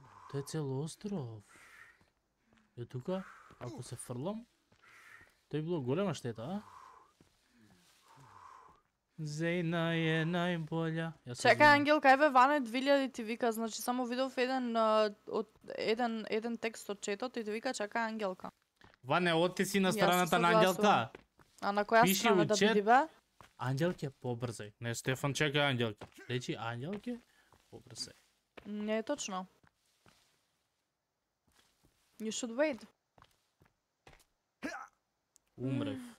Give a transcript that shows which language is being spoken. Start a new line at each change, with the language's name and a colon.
Macedonian: Тоа е цел остров. Е тука? Ако се фрлам, тој било голема штета, а? Зейна е најболја. Чекај, Ангел, кај бе ване 2000 ти вика, значи само видов еден текст од четот и ти вика чекај Ангелка. Ване, оти си на страната на Ангелка. А на која страна да биди бе? Ангелке, побрзај. Не, Стефан, чекај Ангелке. Речи Ангелке, побрзај. Не, точно.
English: You should wait.
Macedonian: Умрев.